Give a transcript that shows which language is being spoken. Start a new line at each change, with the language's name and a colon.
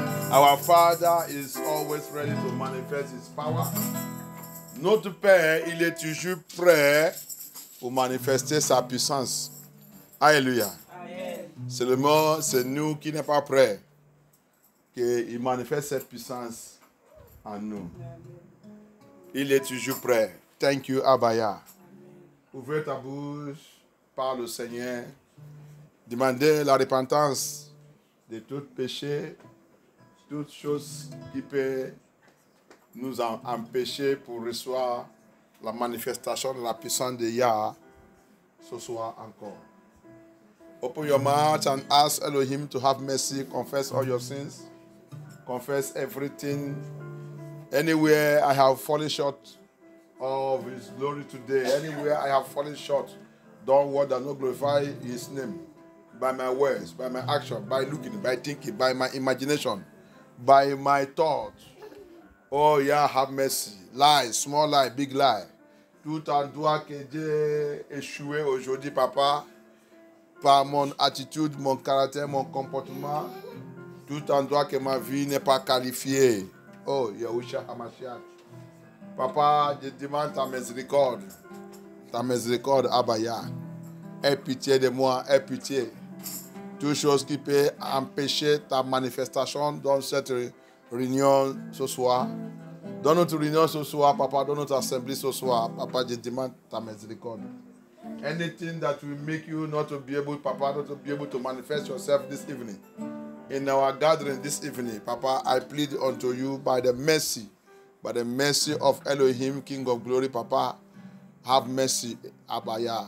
English: Our Father is always ready to manifest His power.
French: Notre Père, il est toujours prêt pour manifester sa puissance. Alléluia. Amen. Seulement, c'est nous qui n'est pas prêts qu'il manifeste cette puissance en nous. Il est toujours prêt.
English: Thank you,
French: Abaya. Ouvrez ta bouche, parle au Seigneur, demandez la repentance de tout péché, toute chose qui peut nous empêcher pour recevoir la manifestation de la puissance de Yah ce soir encore.
English: Open your mouth and ask Elohim to have mercy, confess all your sins, confess everything, anywhere I have fallen short of His glory today. Anywhere I have fallen short, don't word that no glorify His name. By my words, by my action, by looking, by thinking, by my imagination, by my thought. Oh yeah, have mercy. Lie, small lie, big lie.
French: Tout en droit que j'ai échoué aujourd'hui, papa, par mon attitude, mon caractère, mon comportement, tout en droit que ma vie n'est pas qualifiée. Oh, Yahusha Hamashiach. Papa, je demande ta miséricorde, Abaya. aie pitié de moi, aie pitié. Toute chose qui peut empêcher ta manifestation dans cette réunion ce soir. Dans notre réunion ce soir, Papa, dans notre assemblée ce soir, Papa, je demande ta miséricorde.
English: Anything that will make you not to be able, Papa, not to be able to manifest yourself this evening. In our gathering this evening, Papa, I plead unto you by the mercy of Elohim, King of Glory, Papa, have mercy, Abaya.